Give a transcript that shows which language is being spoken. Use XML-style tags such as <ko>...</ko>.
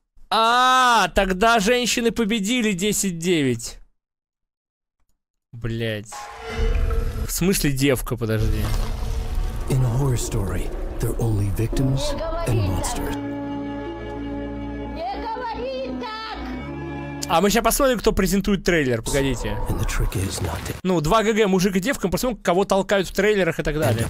<ru>Тогда женщины победили 10-9. Блять. В смысле девка, подожди.</ru> <en>In horror story, they're only victims and monsters.</en> <ru>Не говори так! А мы сейчас посмотрим, кто презентует трейлер. Погодите. Ну, 2 ГГ, мужик и девка, мы посмотрим, кого толкают в трейлерах и так далее.</ru>